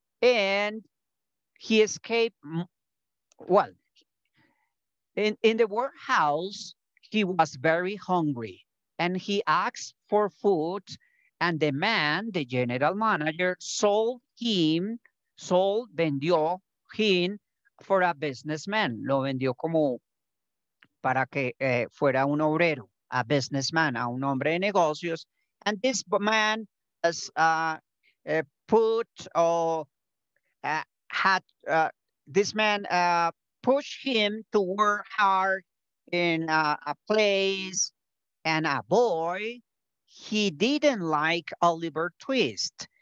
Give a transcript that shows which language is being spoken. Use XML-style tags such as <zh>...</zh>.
<en>And he escaped, well, in the workhouse, he was very hungry and he asked for food, and the man, the general manager, vendió him for a businessman.</en> <es>Lo vendió como para que fuera un obrero, a businessman, a un hombre de negocios.</es> <en>And this man has pushed him to work hard in a place, and a boy, he didn't like Oliver Twist.</en>